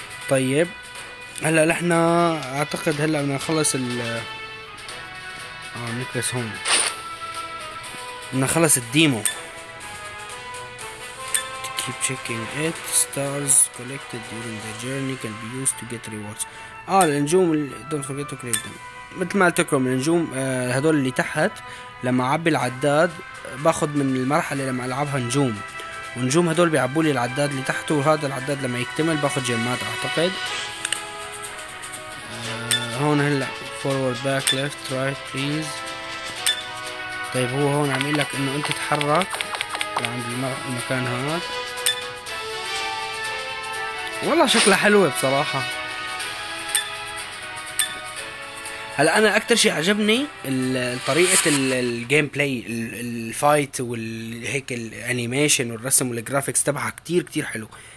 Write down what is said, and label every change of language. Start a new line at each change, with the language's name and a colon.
Arabic: طيب هلا احنا اعتقد هلا بدنا نخلص ال نكبس هون، بدنا نخلص الديمو.
English: Keep checking it. Stars collected during the journey can be used to get rewards. النجوم don't forget to collect them.
Arabic: مثل ما قلت لكم النجوم هدول اللي تحت، لما اعبي العداد باخذ من المرحله لما العبها نجوم، ونجوم هدول بيعبوا لي العداد اللي تحته، وهذا العداد لما يكتمل باخذ جيمات اعتقد. هون هلا
English: forward back left right please.
Arabic: طيب هو هون عم يقول لك انه انت تحرك لعند المكان هاد. والله شكلها حلوة بصراحة. هلا انا اكتر شي عجبني طريقة الجيم بلاي، الفايت والهيك الانيميشن والرسم والجرافيكس تبعها كتير كتير حلو.